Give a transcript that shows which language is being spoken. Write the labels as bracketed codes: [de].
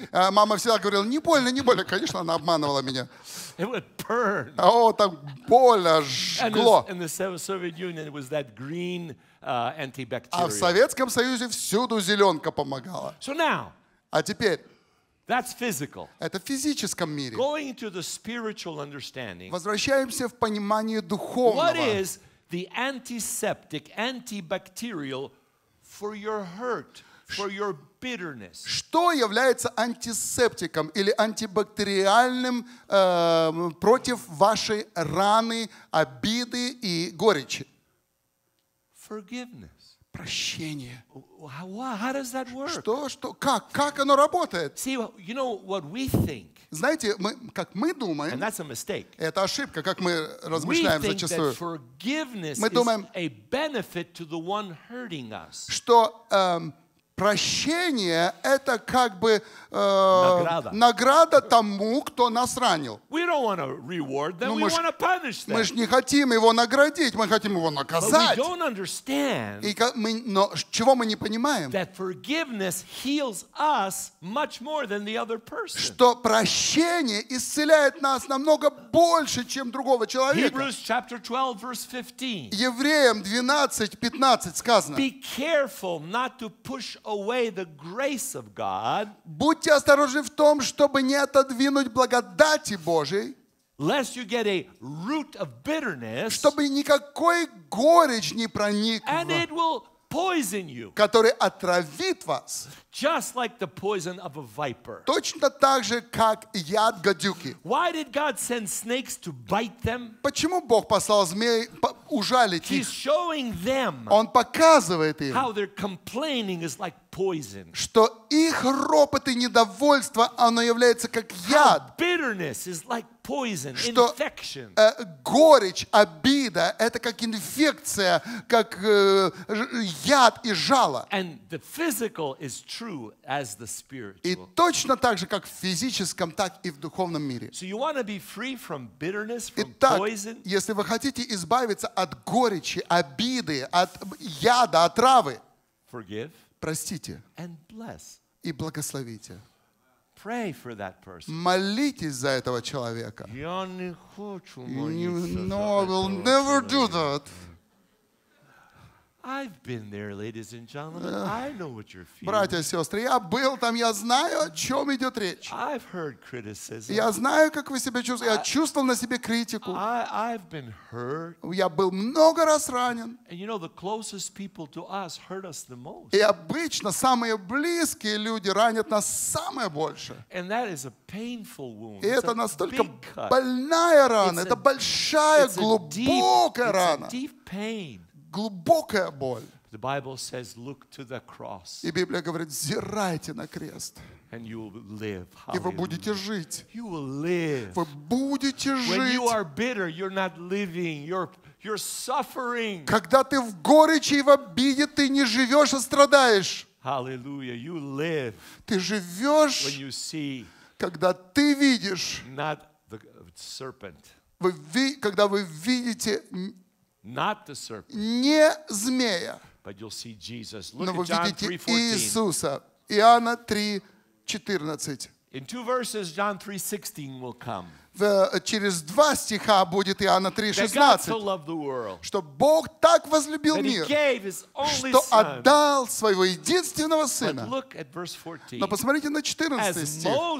[ru] Мама всегда говорила, не больно, не больно. Конечно, она обманывала меня. [en] It would burn. [ru] О, там больно, жгло. [en] And in the Soviet Union, it was that green. [ru] А в Советском Союзе всюду зеленка помогала. [en] So now, [ru] а теперь [en] that's physical. [ru] Это в физическом мире. [en] Going into the spiritual understanding, [ru] возвращаемся в понимание духовного. [en] What is the antiseptic, antibacterial for your hurt, for your bitterness? [ru] Что является антисептиком или антибактериальным против вашей раны, обиды и горечи? [en] Forgiveness. [ru] Прощение. [en] How does that work? [ru] Что? Как оно работает? [en] See, you know what we think. [ru] Знаете, как мы думаем. [en] And that's a mistake. [ru] Это ошибка, как мы размышляем зачастую. [en] We think that forgiveness is a benefit to the one hurting us. [ru] Что прощение это как бы награда тому, кто нас ранил. [en] We don't want to reward them, we want to punish them. [ru] Мы ж не хотим его наградить, мы хотим его наказать. [en] But we don't understand. [ru] Но чего мы не понимаем? [en] That forgiveness heals us much more than the other person. [ru] Что прощение исцеляет нас намного больше, чем другого человека. [en] Hebrews chapter 12 verse 15. [ru] Евреям 12:15 сказано. [en] Be careful not to push away the grace of God. [ru] Будьте осторожны в том, чтобы не отодвинуть благодати Божией. [en] Lest you get a root of bitterness. [ru] Чтобы никакой горечь не проник. [en] And it will poison you. [ru] Который отравит вас. [en] Just like the poison of a viper. [ru] Точно так же, как яд гадюки. [en] Why did God send snakes to bite them? [ru] Почему Бог послал змей ужалить их? [en] He's showing them. [ru] Он показывает им. [en] How their complaining is like poison. [ru] Что их ропот и недовольство, оно является как яд. [en] How bitterness is like poison, [ru] что, [en] infection. [ru] Горечь, обида, это как инфекция, как яд и жало. [en] And the physical is true as the spiritual. [ru] И точно так же, как в физическом, так и в духовном мире. [en] So you want to be free from bitterness, from [ru] Итак, [en] poison? [ru] Если вы хотите избавиться от горечи, обиды, от яда, отравы, [en] forgive. [ru] Простите. [en] And bless. [ru] И благословите. [en] Pray for that person. [ru] Молитесь за этого человека. Я не хочу молиться за этого человека. [en] No, I will never do that. I've been there, ladies and gentlemen. I know what you're feeling. [ru] Братья и сестры, я был там, я знаю, о чем идет речь. [en] I've heard criticism. [ru] Я знаю, как вы себя чувствуете. Я чувствовал на себе критику. [en] I've been hurt. [ru] Я был много раз ранен. [en] And you know, the closest people to us hurt us the most. [ru] И обычно самые близкие люди ранят нас самое больше. [en] And that is a painful wound. [ru] И это настолько больная рана. Это большая, глубокая рана. [en] It's a deep pain. [ru] Глубокая боль. [en] The Bible says, look to the cross. [ru] И Библия говорит, взирайте на крест. [en] And you will live. [ru] И вы будете жить. [en] You will live. [ru] Вы будете жить. [en] When you are bitter, you're not living. You're suffering. [ru] Когда ты в горечи и в обиде, ты не живешь, а страдаешь. [en] Hallelujah. You live. [ru] Ты живешь, [en] when you see. [ru] Когда ты видишь. [en] Not the serpent. [ru] Когда вы видите... [en] Not the serpent, [ru] не змея, [en] but you'll see Jesus. [ru] Но вы видите Иисуса. Иоанна 3, 14. [en] In two verses, John 3:16 will come. [ru] Через два стиха будет Иоанна 3:16, что Бог так возлюбил мир, что отдал своего единственного сына. Но посмотрите на 14 стих.